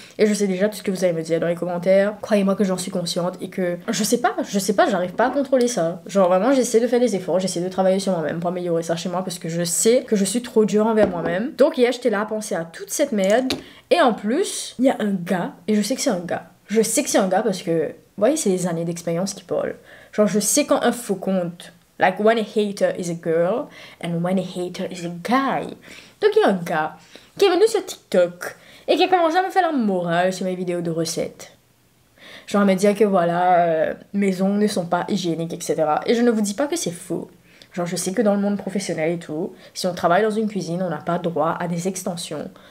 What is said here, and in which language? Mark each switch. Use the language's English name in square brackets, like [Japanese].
[French] Et je sais déjà tout ce que vous allez me dire dans les commentaires. Croyez-moi que j'en suis consciente et que je sais pas, j'arrive pas à contrôler ça. Genre vraiment, j'essaie de faire des efforts, j'essaie de travailler sur moi-même pour améliorer ça chez moi parce que je sais que je suis trop dure envers moi-même. Donc hier, j'étais là à penser à toute cette merde. Et en plus, il y a un gars, et je sais que c'est un gars. Je sais que c'est un gars parce que, vous voyez, c'est les années d'expérience qui parlent. Genre, je sais quand un faux compte. [English] Like, when a hater is a girl, and when a hater is a guy. [French] Donc, il y a un gars qui est venu sur TikTok et qui a commencé à me faire la morale sur mes vidéos de recettes. Genre, à me dire que voilà, mes ongles ne sont pas hygiéniques, etc. Et je ne vous dis pas que c'est faux. Genre, je sais que dans le monde professionnel et tout, si on travaille dans une cuisine, on n'a pas droit à des extensions.